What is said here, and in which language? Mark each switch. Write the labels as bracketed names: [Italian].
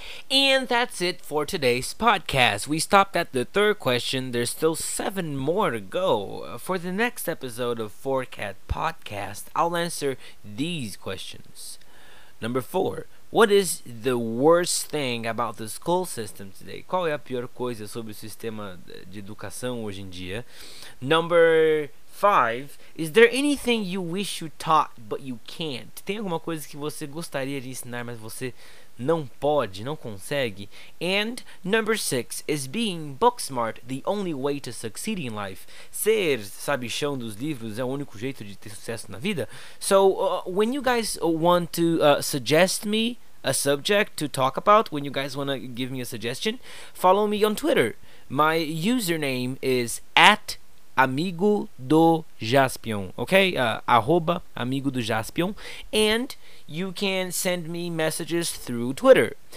[English] And that's it for today's podcast. We stopped at the third question. There's still 7 more to go. For the next episode of 4CAT Podcast, I'll answer these questions. Number 4. What is the worst thing about the school system today? [Portuguese] Qual é a pior coisa sobre o sistema de educação hoje em dia? [English] Number 5. Is there anything you wish you taught but you can't? [Portuguese] Tem alguma coisa que você gostaria de ensinar, mas você não pode, não consegue? [English] And number 6. Is being book smart the only way to succeed in life? [Portuguese] Ser sabichão dos livros é o único jeito de ter sucesso na vida? [English] So, when you guys want to suggest me a subject to talk about, when you guys want to give me a suggestion, follow me on Twitter. My username is @AmigoDoJaspion, okay? @AmigoDoJaspion, and you can send me messages through Twitter.